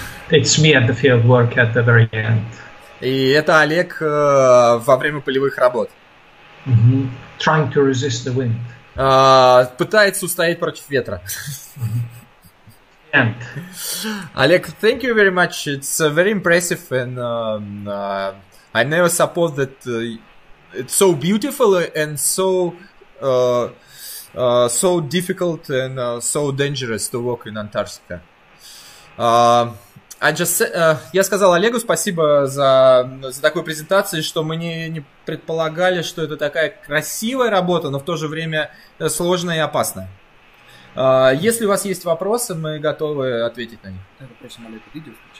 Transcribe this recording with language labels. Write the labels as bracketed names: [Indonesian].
[English] It's me at the field work at the very end. [Russian] И это Олег во время полевых работ. [English] Trying to resist the wind. [Russian] Пытается устоять против ветра. Олег, [English] thank you very much. It's very impressive, and I never supposed that it's so beautiful and so so difficult and so dangerous to walk in Antarctica. [Russian] Я сказал Олегу спасибо за такую презентацию, что мы не предполагали, что это такая красивая работа, но в то же время сложная и опасная. Если у вас есть вопросы, мы готовы ответить на них.